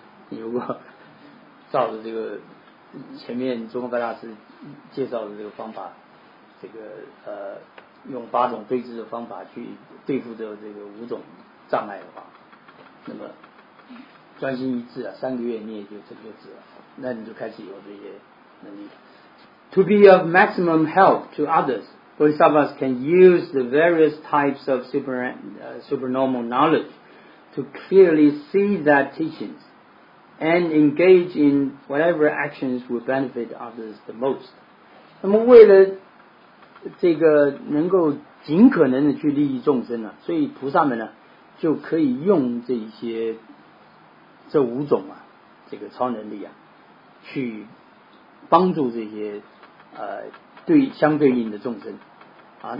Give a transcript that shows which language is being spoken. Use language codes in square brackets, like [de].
[zh] 如果照着这个前面中国大师介绍的这个方法，这个用八种对峙的方法去对付这个五种障碍的话，那么专心一致啊，三个月你也就成就止了，那你就开始有这些能力。 [en] To be of maximum help to others, Bodhisattvas can use the various types of supernormal knowledge to clearly see that teachingsand engage in whatever actions will benefit others the most. [zh] 那么为了这个能够尽可能的去利益众生啊，所以菩萨们呢就可以用这五种啊这个超能力啊去帮助这些对相对应的众生啊。